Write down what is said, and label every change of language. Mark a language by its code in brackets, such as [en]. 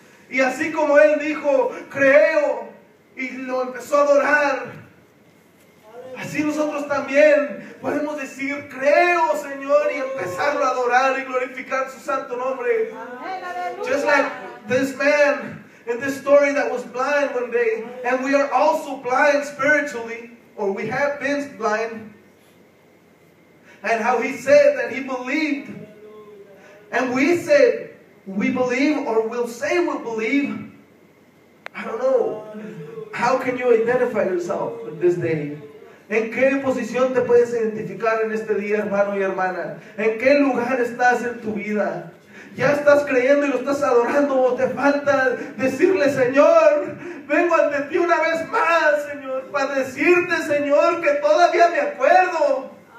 [es] Y así como él dijo, creo, y lo empezó a adorar, así nosotros también podemos decir, creo, Señor, y empezarlo a adorar y glorificar su santo nombre. [en] Just like this man in this story that was blind one day, and we are also blind spiritually, or we have been blind, and how he said that he believed, and we said, we believe, or we'll say we believe. I don't know. How can you identify yourself in this day? [es] ¿En qué posición te puedes identificar en este día, hermano y hermana? ¿En qué lugar estás en tu vida? ¿Ya estás creyendo y lo estás adorando o te falta decirle, Señor, vengo ante ti una vez más, Señor, para decirte, Señor, que todavía me acuerdo?